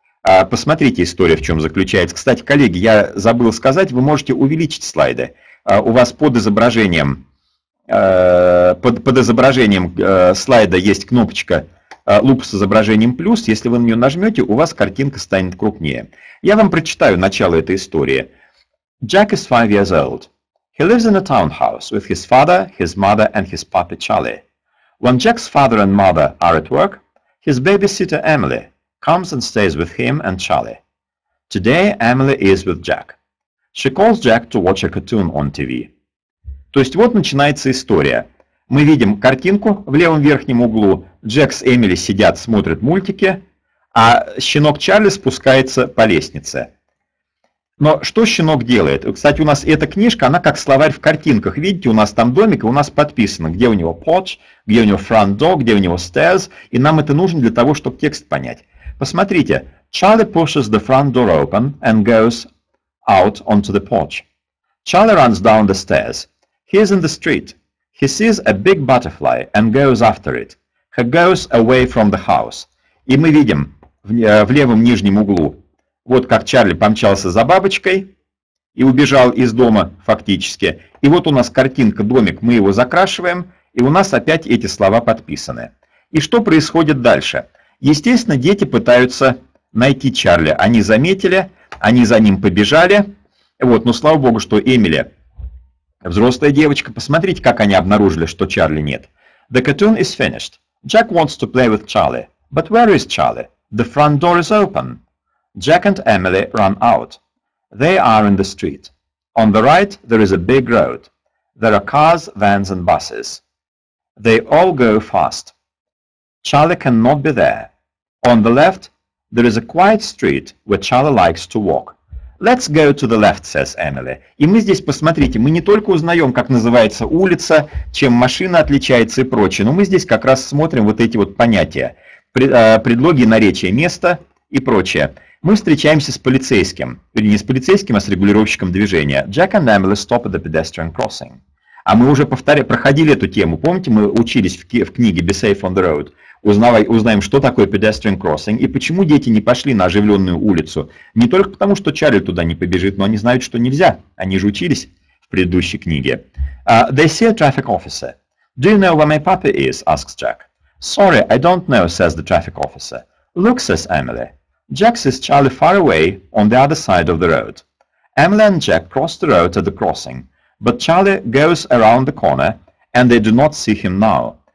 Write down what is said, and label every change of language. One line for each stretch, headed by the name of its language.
Russian: Посмотрите, история в чем заключается. Кстати, коллеги, я забыл сказать, вы можете увеличить слайды. У вас под изображением слайда есть кнопочка «Луп с изображением плюс». Если вы на нее нажмете, у вас картинка станет крупнее. Я вам прочитаю начало этой истории.
English: Jack is 5 years old. He lives in a townhouse with his father, his mother and his puppy Charlie. When Jack's father and mother are at work, his babysitter Emily comes and stays with him and Charlie. Today Emily is with Jack. She calls Jack to watch a cartoon on TV.
Russian: То есть вот начинается история. Мы видим картинку в левом верхнем углу. Джек с Эмили сидят, смотрят мультики, а щенок Чарли спускается по лестнице. Но что щенок делает? Кстати, у нас эта книжка, она как словарь в картинках. Видите, у нас там домик, и у нас подписано, где у него porch, где у него front door, где у него stairs. И нам это нужно для того, чтобы текст понять. Посмотрите.
English: Charlie pushes the front door open and goes out onto the porch. Charlie runs down the stairs. He is in the street. He sees a big butterfly and goes after it. He goes away from the house.
Russian: И мы видим в левом нижнем углу, вот как Чарли помчался за бабочкой и убежал из дома фактически. И вот у нас картинка, домик, мы его закрашиваем, и у нас опять эти слова подписаны. И что происходит дальше? Естественно, дети пытаются найти Чарли. Они заметили, они за ним побежали. Вот, но слава богу, что Эмили, взрослая девочка, посмотрите, как они обнаружили, что Чарли нет.
English: The cartoon is finished. Jack wants to play with Charlie. But where is Charlie? The front door is open. Jack and Emily run out. They are in the street. On the right, there is a big road. There are cars, vans and buses. They all go fast. Charlie cannot be there. On the left, there is a quiet street where Charlie likes to walk. Let's go to the left, says Emily.
Russian: И мы здесь, посмотрите, мы не только узнаем, как называется улица, чем машина отличается и прочее, но мы здесь как раз смотрим вот эти вот понятия. Предлоги, наречия, место и прочее. Мы встречаемся с полицейским, или не с полицейским, а с регулировщиком движения.
English: Jack and Emily stop at the pedestrian crossing.
Russian: А мы уже проходили эту тему, помните, мы учились в книге Be Safe on the Road. Узнаем, что такое pedestrian crossing и почему дети не пошли на оживленную улицу. Не только потому, что Чарли туда не побежит, но они знают, что нельзя. Они же учились в предыдущей книге.
English: They see a traffic officer. Do you know where my puppy is? Asks Jack. Sorry, I don't know, says the traffic officer. Look, says Emily. Jack sees Charlie far away on the other side of the road. Emily and Jack cross the road at the crossing, but Charlie goes around the corner, and they do not see him now.